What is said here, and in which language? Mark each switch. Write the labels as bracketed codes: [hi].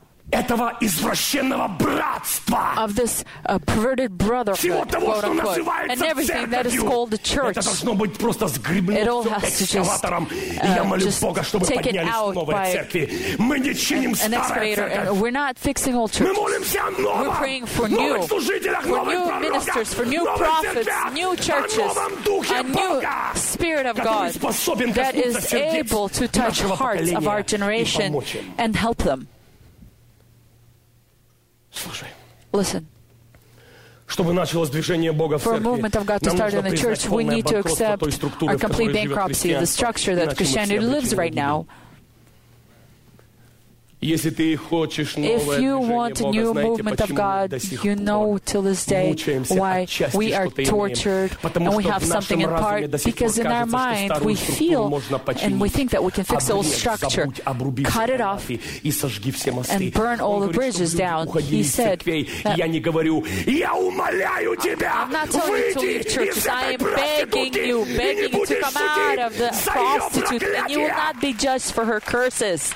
[ru] Этого извращенного братства. [en] Of this perverted brotherhood, [ru] всего того, [en] quote, [ru] что называется церковью. Это должно быть просто сгребнуто экскаватором. И я молю Бога, чтобы поднялись новые церкви. Мы не чиним старые церкви. Мы молимся о новом. [en] We're praying for new. [ru] Новых служителях, [en] for [ru] новых пророков, [en] for new prophets, new churches, [ru] о новом духе Бога, [en] new spirit of God, [ru] который способен коснуться сердец нашего поколения [en] of our generation [ru] и помочь им. [en] And help them. [ru] Слушай. [en] Listen. [ru] Чтобы началось движение Бога в церкви, нам нужно признать полное банкротство той структуры, в которой живет христианство. Иначе мы все обречены. Если ты хочешь новое движение Бога, знаете, почему мы до сих пор мучаемся отчасти, что-то имеем? Потому что в нашем разуме до сих пор кажется, что старую структуру можно починить, обрезать, забудь, обрубить все канаты и сожги все мосты. [en] And burn all the bridges down. He said, [ru] "Я не говорю, я умоляю тебя, выйди из этой проститутки, [en] I'm begging you, begging you to come out of the prostitute, and you will not be judged for her curses."